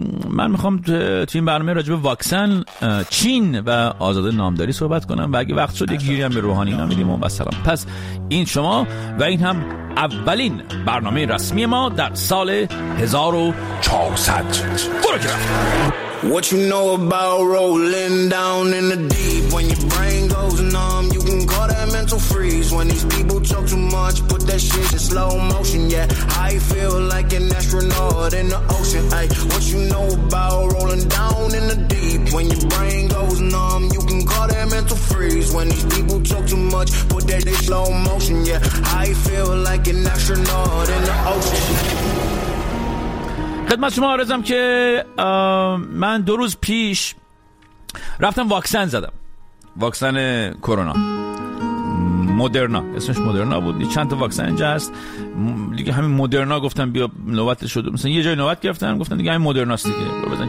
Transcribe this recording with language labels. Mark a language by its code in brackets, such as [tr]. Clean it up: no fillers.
[fa] من میخوام تو این برنامه راجب واکسن، چین و آزاد نامداری صحبت کنم و اگه وقت شد یک گیری هم به روحانی نامیدیم و سلام. پس این شما و این هم اولین برنامه رسمی ما در سال 1400. برو که رفت. [en] What you know about rolling down in the deep? When your brain goes numb, you can call that mental freeze. When these people talk too much, put that shit in slow motion. Yeah, I feel like an astronaut in the ocean. Ay, what you know about rolling down in the deep? When your brain goes numb, you can call that mental freeze. When these people talk too much, put that in slow motion. Yeah, I feel like an astronaut in the ocean. [fa] خدمت شما عرضم که من دو روز پیش رفتم واکسن زدم، واکسن کرونا، مدرنا، اسمش مدرنا بود. چند تا واکسن اینجا هست دیگه، همین مدرنا گفتم بیا نوبت شد، مثلا یه جای نوبت گرفتم گفتم دیگه همین مدرنا است دیگه رو بزن.